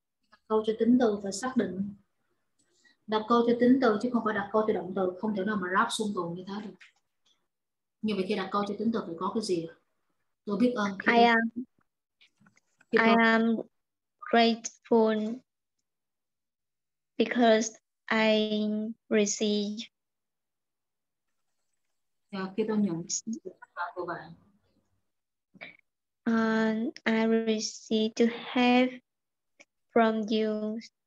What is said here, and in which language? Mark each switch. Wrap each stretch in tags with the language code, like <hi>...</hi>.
<vi>Đặt câu cho tính từ và xác định. Đặt câu cho tính từ chứ không phải đặt câu cho động từ. Không thể nào mà ráp xung tồn như thế được. Như vậy khi đặt câu cho tính từ phải có cái gì? Tôi biết ơn.</vi> <en>I am grateful because I receive.</en> <vi>Yeah, khi tôi nhận của bạn.</vi> <en>I receive to have from you.</en>